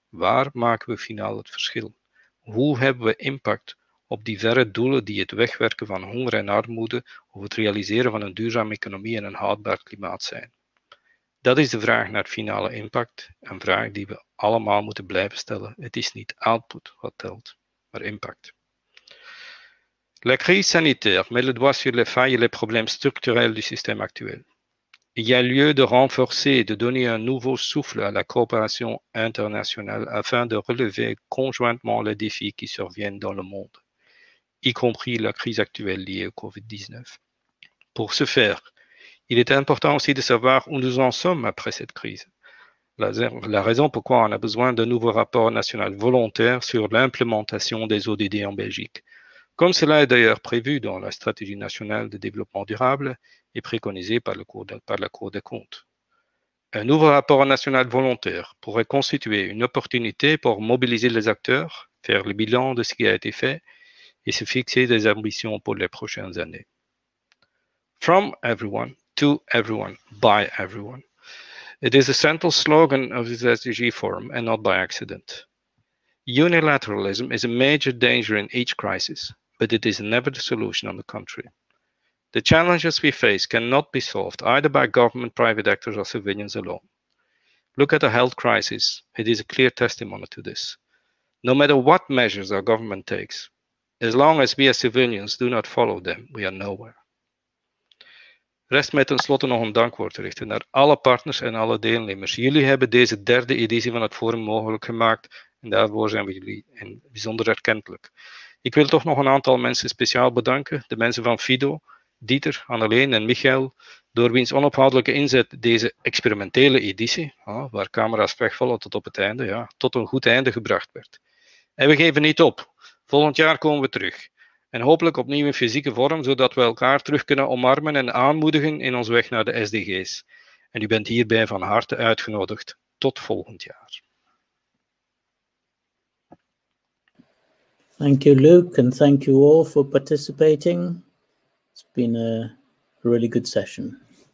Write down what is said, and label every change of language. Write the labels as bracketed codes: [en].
[nl] Waar maken we finaal het verschil? Hoe hebben we impact op die verre doelen die het wegwerken van honger en armoede of het realiseren van een duurzame economie en een houdbaar klimaat zijn? Dat is de vraag naar finale impact, een vraag die we allemaal moeten blijven stellen. Het is niet output wat telt, maar impact. [fr] La crise sanitaire met le doigt sur les failles et les problèmes structurels du système actuel. Il y a lieu de renforcer, de donner un nouveau souffle à la coopération internationale afin de relever conjointement les défis qui surviennent dans le monde, y compris la crise actuelle liée au COVID-19. Pour ce faire, il est important aussi de savoir où nous en sommes après cette crise. La raison pourquoi on a besoin d'un nouveau rapport national volontaire sur l'implémentation des ODD en Belgique, comme cela est d'ailleurs prévu dans la stratégie nationale de développement durable et préconisée par, par la Cour des comptes. Un nouveau rapport national volontaire pourrait constituer une opportunité pour mobiliser les acteurs, faire le bilan de ce qui a été fait et se fixer des ambitions pour les prochaines années. [en] From everyone, to everyone, by everyone. It is a central slogan of this SDG forum and not by accident. Unilateralism is a major danger in each crisis, but it is never the solution on the contrary. The challenges we face cannot be solved either by government, private actors or civilians alone. Look at the health crisis. It is a clear testimony to this. No matter what measures our government takes, as long as we as civilians do not follow them, we are nowhere. [nl] Rest mij tenslotte nog een dankwoord te richten naar alle partners en alle deelnemers. Jullie hebben deze derde editie van het forum mogelijk gemaakt en daarvoor zijn we jullie bijzonder erkentelijk. Ik wil toch nog een aantal mensen speciaal bedanken. De mensen van Fido, Dieter, Anneleen en Michael, door wiens onophoudelijke inzet deze experimentele editie, waar camera's wegvallen tot op het einde, ja, tot een goed einde gebracht werd. En we geven niet op. Volgend jaar komen we terug. En hopelijk opnieuw in fysieke vorm, zodat we elkaar terug kunnen omarmen en aanmoedigen in onze weg naar de SDG's. En u bent hierbij van harte uitgenodigd. Tot volgend jaar. [en] Thank you, Luke, and thank you all for participating. It's been a really good session.